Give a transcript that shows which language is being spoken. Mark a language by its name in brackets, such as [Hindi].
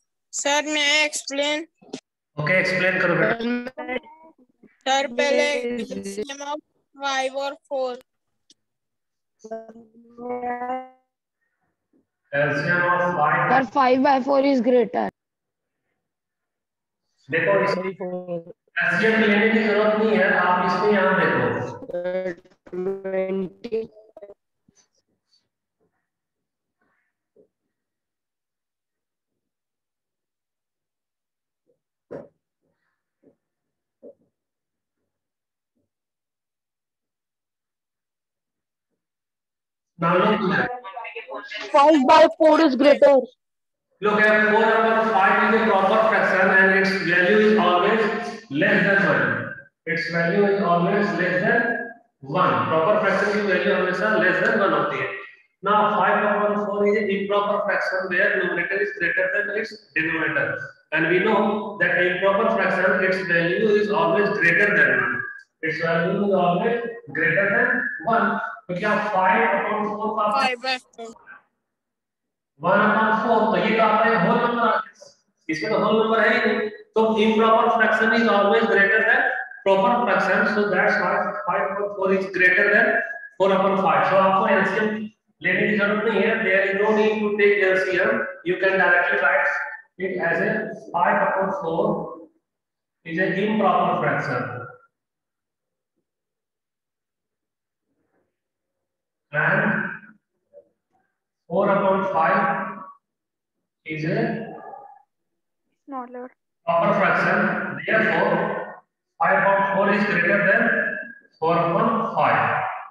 [English] Sir, may I explain? Okay, explain karo. Sir, pehle LCM of five or four. LCM of five. Sir, five by four is greater. [Hindi] देखो इसमें LCM लेने की जरूरत नहीं है. आप इसमें यहाँ देखो. 20. [English] Five by four is greater. Look at 4/5 is a proper fraction and its value is always less than one. Its value is always less than one. Proper fraction की value हमेशा less than one होती है. Now 5/4 is an improper fraction where numerator is greater than its denominator. And we know that improper fraction its value is always greater than one. Its value is always greater than one. [Hindi] तो क्या 5/4 तो ये क्या है whole number इसमें तो whole number है ही नहीं तो [English] improper fraction is always greater than proper fraction so that's why 5/4 is greater than 4/5 so [Hindi] आपको एलसीएम लेने की जरूरत नहीं है [English] There is no need to take LCM you can directly write it as a 5/4 is a improper fraction And 4/5 is a smaller proper fraction. Therefore, 5/4 is greater than 4/5.